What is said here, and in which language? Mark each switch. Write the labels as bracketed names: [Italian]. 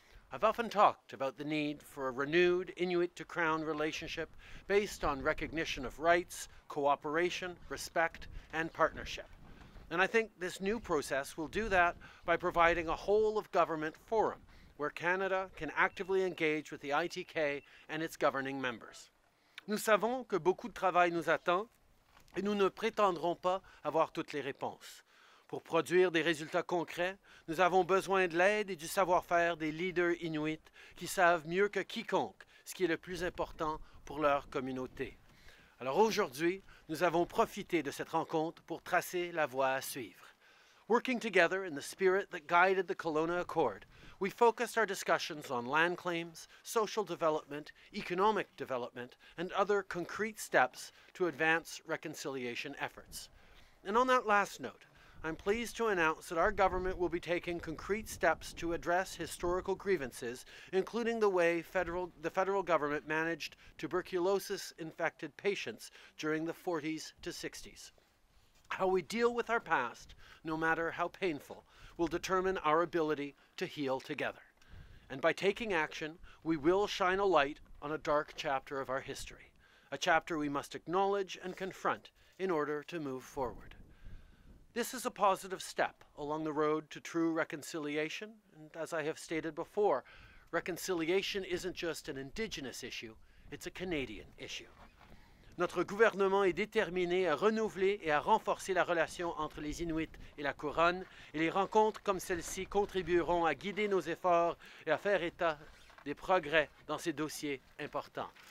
[English] I've often talked about the need for a renewed Inuit to Crown relationship based on recognition of rights, cooperation, respect, and partnership. And I think this new process will do that by providing a whole of government forum where Canada can actively engage with the ITK and its governing members. [French] Nous savons que beaucoup de travail nous attend et nous ne prétendrons pas avoir toutes les réponses. Pour produire des résultats concrets, nous avons besoin de l'aide et du savoir-faire des leaders inuits qui savent mieux que quiconque ce qui est le plus important pour leur communauté. Alors aujourd'hui, nous avons profité de cette rencontre pour tracer la voie à suivre. [English] Working together in the spirit that guided the Kelowna Accord, we focused our discussions on land claims, social development, economic development, and other concrete steps to advance reconciliation efforts. And on that last note, I'm pleased to announce that our government will be taking concrete steps to address historical grievances, including the way the federal government managed tuberculosis-infected patients during the 40s to 60s. How we deal with our past, no matter how painful, will determine our ability to heal together. And by taking action, we will shine a light on a dark chapter of our history, a chapter we must acknowledge and confront in order to move forward. This is a positive step along the road to true reconciliation, and as I have stated before, reconciliation isn't just an Indigenous issue, it's a Canadian issue. [French] Notre gouvernement est déterminé à renouveler et à renforcer la relation entre les Inuits et la Couronne, et les rencontres comme celles-ci contribueront à guider nos efforts et à faire état des progrès dans ces dossiers importants.